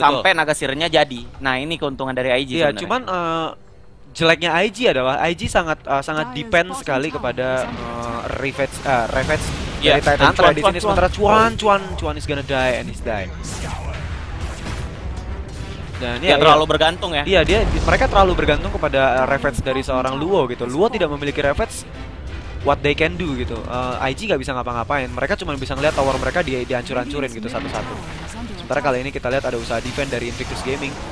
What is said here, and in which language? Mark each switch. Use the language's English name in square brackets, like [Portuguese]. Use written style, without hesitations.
[Indonesian] Sampai Naga Sirennya jadi. Nah, ini keuntungan dari IG sebenarnya. Ya, cuman jeleknya IG adalah IG sangat sangat depend sekali kepada Revenge yeah, dari Titan Hunter di sini. Sementara [English] Chuan is gonna die and he's dying. [Indonesian] Dan ya terlalu bergantung ya. Iya, mereka terlalu bergantung kepada Revenge dari seorang Luo gitu. Luo tidak memiliki Revenge, [English] what they can do [Indonesian] gitu. IG enggak bisa ngapa-ngapain. Mereka cuma bisa ngelihat tower mereka dihancur-hancurin gitu satu-satu. Sementara kali ini kita lihat ada usaha defend dari Invictus Gaming.